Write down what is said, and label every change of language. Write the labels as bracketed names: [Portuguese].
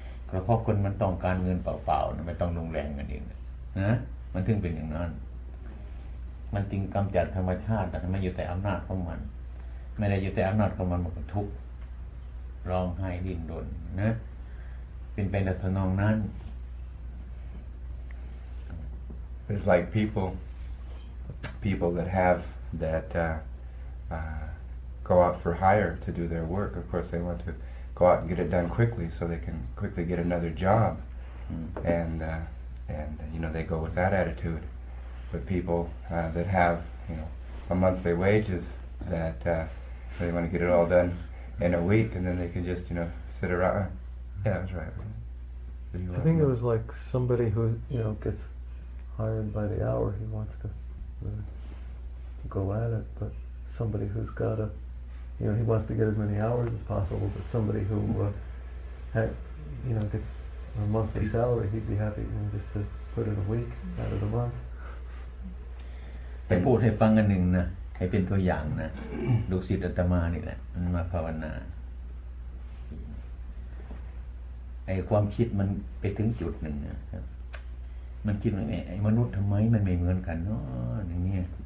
[Thai] ก็เพราะคนมันต้องการเงินเปล่าๆไม่ต้องลงแรงกันเองนะมันถึงเป็นอย่างนั้นมันจริงกำจัดธรรมชาติแต่ทำไมอยู่แต่อำนาจของมันไม่ได้อยู่แต่อำนาจของมันมันก็ทุกข์ร้องไห้ดิ้นรนนะเป็นไปในทำนองนั้น [English] It's like people that have that go out for hire to do their work. Of course, they want to go out and get it done quickly so they can quickly get another job. Mm-hmm. And you know, they go with that attitude. But people that have, you know, a monthly wages that they want to get it all done in a week, and then they can just, you know, sit around. Yeah, that's right. I think it was like somebody who, you know, gets hired by the hour. He wants to go at it, but somebody who's got a, you know, he wants to get as many hours as possible, but somebody who gets a monthly salary, he'd be happy, you know, just to put in a week out of the month. [Thai] ให้พูดให้ฟังอันหนึ่งนะให้เป็นตัวอย่างนะลูกศิษย์อาตมานี่แหละมันมาภาวนาไอ้ความคิดมันไปถึงจุดหนึ่งนะมันคิดว่าไอ้มนุษย์ทำไมมันไม่เหมือนกันเนาะอย่างเงี้ย